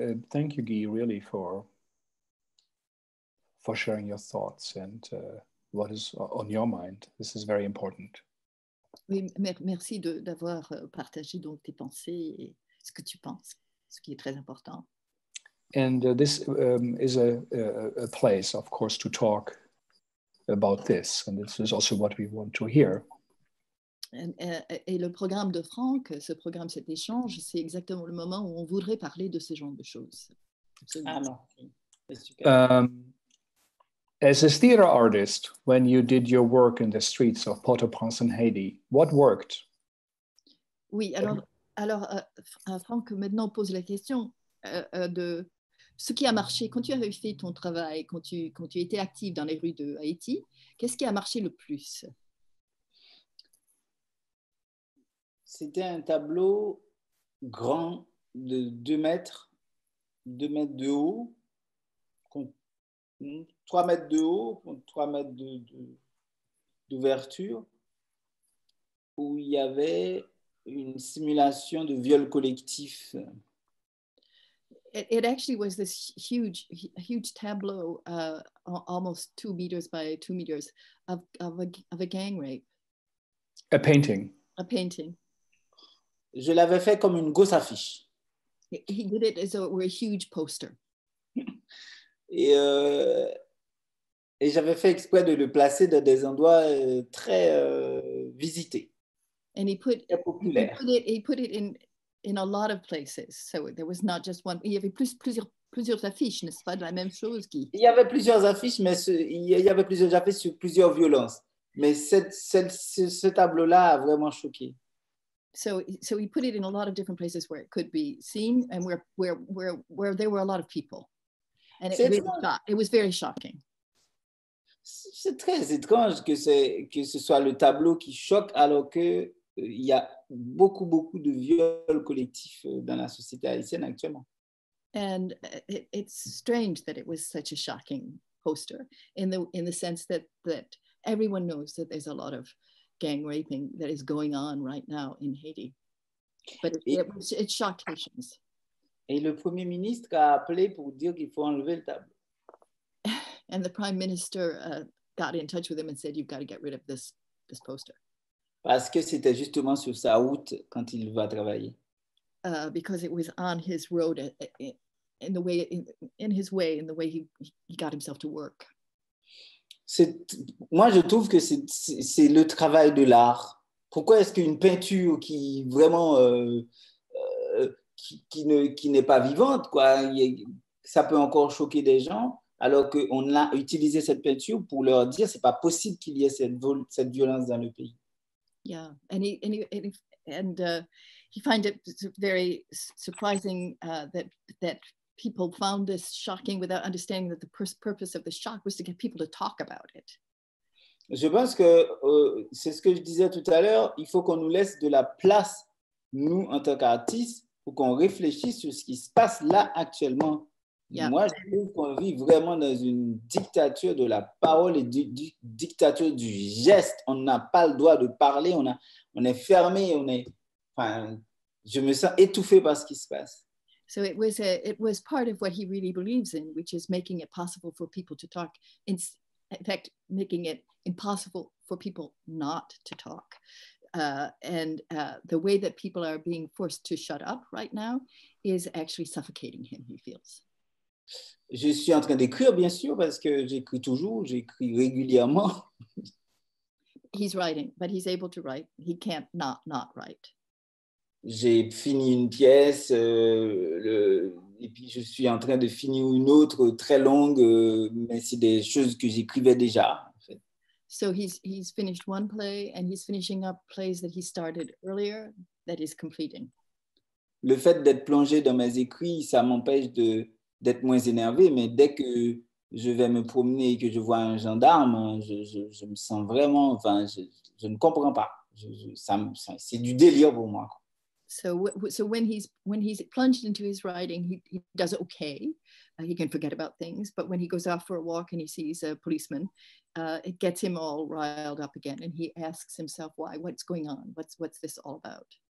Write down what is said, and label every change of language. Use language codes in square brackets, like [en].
[en] Thank you, Guy, really for sharing your thoughts and what is on your mind. This is very important. [fr] Oui, merci d'avoir partagé donc tes pensées et ce que tu penses, ce qui est très important. [en] And this is a place, of course, to talk about this, and this is also what we want to hear. [fr] Et le programme de Franck, ce programme, cet échange, c'est exactement le moment où on voudrait parler de ce genre de choses. Absolument. Ah non, c'est super. [en] As a theater artist, when you did your work in the streets of Port-au-Prince in Haiti, what worked? [fr] Oui, alors, Franck, maintenant pose la question de ce qui a marché quand tu avais fait ton travail, quand tu étais active dans les rues de Haïti. Qu'est-ce qui a marché le plus? C'était un tableau grand de 2 mètres de haut. 3 mètres de haut, 3 mètres d'ouverture, où il y avait une simulation de viol collectif. [en] It actually was this huge tableau, almost 2 meters by 2 meters, of a gang rape. A painting. A painting. [fr] Je l'avais fait comme une grosse affiche. [en] He did it as though it were a huge poster. [fr] Et j'avais fait exprès de le placer dans des endroits très visités. [en] And [fr] très populaires. [en] He put it in a lot of places. So there was not just one. [fr] Il y avait plusieurs plusieurs affiches, n'est-ce pas, de la même chose, Guy? Il y avait plusieurs affiches, mais il y avait plusieurs affiches sur plusieurs violences. Mais ce tableau-là a vraiment choqué. [en] So we put it in a lot of different places where it could be seen and where there were a lot of people. And it was very shocking. [fr] C'est très étrange que ce soit le tableau qui choque alors que il y a beaucoup de viols collectifs dans la société haïtienne actuellement. [en] And it's strange that it was such a shocking poster in the sense that everyone knows that there's a lot of gang raping that is going on right now in Haiti. But it shocked Haitians. [fr] Et le premier ministre a appelé pour dire qu'il faut enlever le tableau. [en] And the prime minister got in touch with him and said, you've got to get rid of this poster. [fr] Parce que c'était justement sur sa route quand il va travailler. [en] Because it was on his road in the way he got himself to work. [fr] Moi, je trouve que c'est le travail de l'art. Pourquoi est-ce qu'une peinture qui vraiment qui n'est pas vivante, quoi, ça peut encore choquer des gens, alors qu'on a utilisé cette peinture pour leur dire c'est pas possible qu'il y ait cette violence dans le pays. [en] Yeah, and he finds it very surprising that people found this shocking without understanding that the purpose of the shock was to get people to talk about it. [fr] Je pense que c'est ce que je disais tout à l'heure, il faut qu'on nous laisse de la place, nous, en tant qu'artistes, pour qu'on réfléchisse sur ce qui se passe là actuellement. Yep. Moi, je trouve qu'on vit vraiment dans une dictature de la parole et du dictature du geste. On n'a pas le droit de parler, on est fermé, je me sens étouffé par ce qui se passe. [en] So it was part of what he really believes in, which is making it possible for people to talk, in fact, making it impossible for people not to talk. And the way that people are being forced to shut up right now is actually suffocating him, he feels. [fr] Je suis en train d'écrire, bien sûr, parce que j'écris toujours, j'écris régulièrement. [en] He's writing, but he's able to write. He can't not write. [fr] J'ai fini une pièce et puis je suis en train de finir une autre très longue, mais c'est des choses que j'écrivais déjà, en fait. [en] So he's finished one play and he's finishing up plays that he started earlier that he's completing. [fr] Le fait d'être plongé dans mes écrits, ça m'empêche d'être moins énervé, mais dès que je vais me promener et que je vois un gendarme, je me sens vraiment, enfin, je ne comprends pas. Ça, c'est du délire pour moi. [en] So when he's plunged into his writing, he does okay. He can forget about things, but when he goes out for a walk and he sees a policeman, it gets him all riled up again, and he asks himself why, what's going on, what's this all about?